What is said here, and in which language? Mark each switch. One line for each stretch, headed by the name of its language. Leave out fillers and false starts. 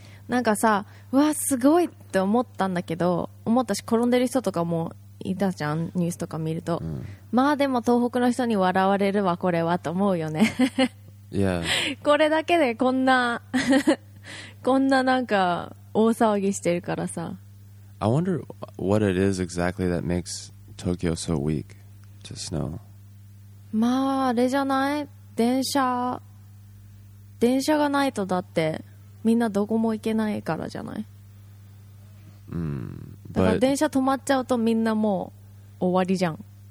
Japanese: なんかさ、うわ、すごいって思ったんだけど、思ったし、転んでる人とかもいたじゃん、ニュースとか見ると、うん、まあでも東北の人に笑われるわこれはと思うよね。いや、これだけでこんなこんななんか大騒ぎしてるからさ。
English: I wonder what it is exactly that makes Tokyo so weak to snow.
Japanese: まああれじゃない、電車がないとだってみんなどこも行けないからじゃない。うん、だから電車止まっちゃうとみんなもう終わりじゃん。